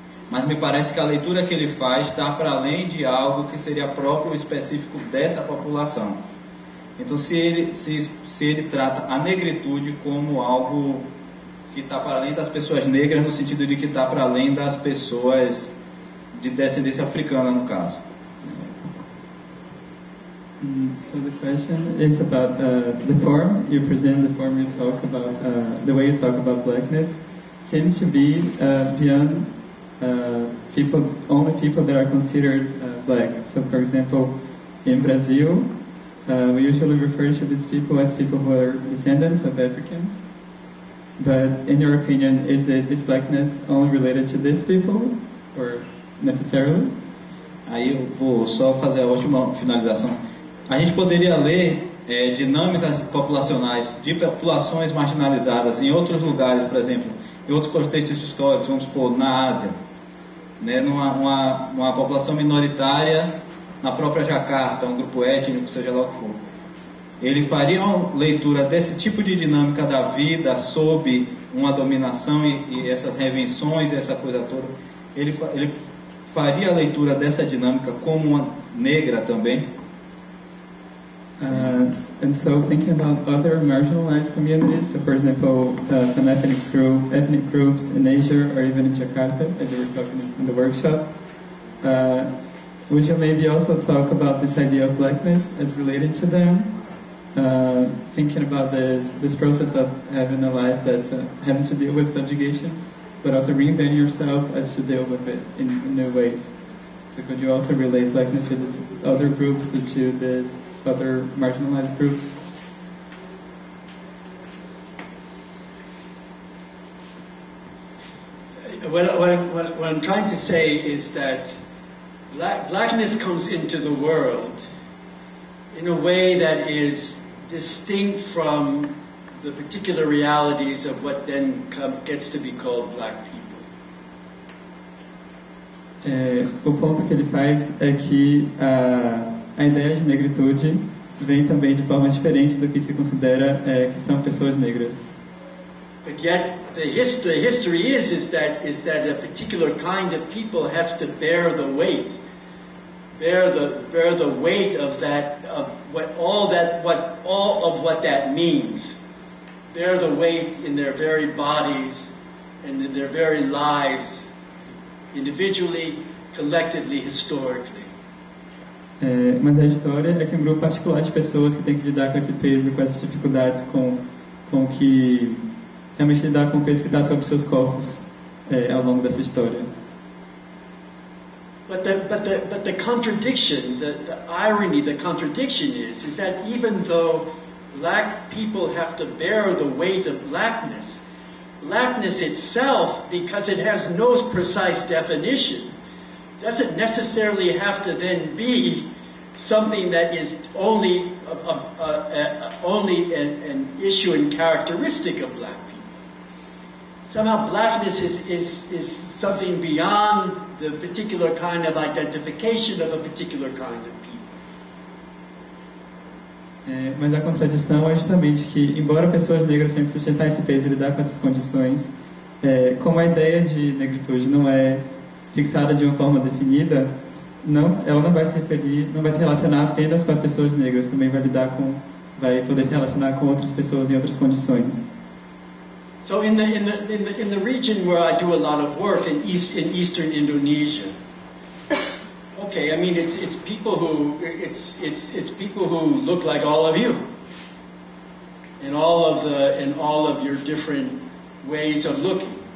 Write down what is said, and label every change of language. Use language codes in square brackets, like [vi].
[pt] Mas me parece que a leitura que ele faz está para além de algo que seria próprio e específico dessa população. Então, se ele trata a negritude como algo que está para além das pessoas negras, no sentido de que está para além das pessoas de descendência africana, no caso. [en] So the question is about the form you present, the form you talk about, the way you talk about blackness seems to be beyond people, only people that are considered black. So, for example, in Brazil, we usually refer to these people as people who are descendants of Africans. But in your opinion, is it this blackness only related to these people, or necessarily? [pt] Aí eu vou só fazer a última finalização. A gente poderia ler dinâmicas populacionais de populações marginalizadas em outros lugares, por exemplo, em outros contextos históricos, vamos supor, na Ásia, né, numa população minoritária. Na própria Jakarta, um grupo étnico, seja lá o que for, ele faria uma leitura desse tipo de dinâmica da vida sob uma dominação e essas reinvenções, essa coisa toda, ele faria a leitura dessa dinâmica como uma negra também? [en] And so thinking about other marginalized communities, so for example, some ethnic groups in Asia or even in Jakarta, as we were talking in the workshop, would you maybe also talk about this idea of blackness as related to them? Thinking about this process of having a life that's having to deal with subjugations, but also reinvent yourself as to deal with it in new ways. So could you also relate blackness to these other groups, to this other marginalized groups? What I'm trying to say is that blackness comes into the world in a way that is distinct from the particular realities of what then gets to be called black people. [pt] O ponto que ele faz é que a ideia de negritude vem também de forma diferente do que se considera que são pessoas negras. [en] But yet the history is that a particular kind of people has to bear the weight of that, of what that means, bear the weight in their very bodies and in their very lives, individually, collectively, historically. [pt] Mas a história é que um grupo particular de pessoas que tem que lidar com esse peso, com essas dificuldades, com que realmente lidar com o peso que está sobre seus corpos ao longo dessa história. [en] But the contradiction, the irony, the contradiction is that even though black people have to bear the weight of blackness, blackness itself, because it has no precise definition, doesn't necessarily have to then be something that is only an issue and characteristic of black people. Somehow blackness is something beyond the particular kind of identification of a particular kind of people. [pt] Mas a contradição é justamente que, embora pessoas negras sempre sustentar esse peso e lidar com essas condições, como a ideia de negritude não é fixada de uma forma definida, ela não vai se referir, não vai se relacionar apenas com as pessoas negras, também vai lidar com, vai poder se relacionar com outras pessoas em outras condições. [en] So in the region where I do a lot of work in eastern Indonesia. Okay, I mean it's people who look like all of you. In all of your different ways of looking.